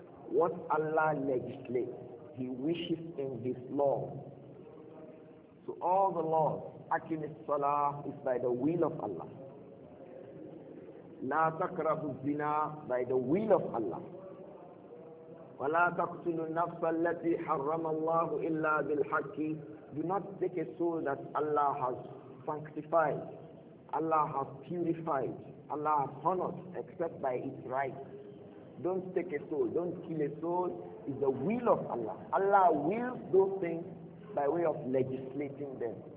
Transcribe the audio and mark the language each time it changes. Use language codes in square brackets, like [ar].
[en] What Allah legislates, He wishes in His law. So all the laws, aqimis salah, is by the will of Allah. [ar] لا تقربوا الزنا [en] by the will of Allah. [ar] ولا تقتلوا النفس التي حرم الله إلا بالحق. [en] Do not take a soul that Allah has sanctified, Allah has purified, Allah has honored except by its right. Don't take a soul, don't kill a soul. It's the will of Allah. Allah wills those things by way of legislating them.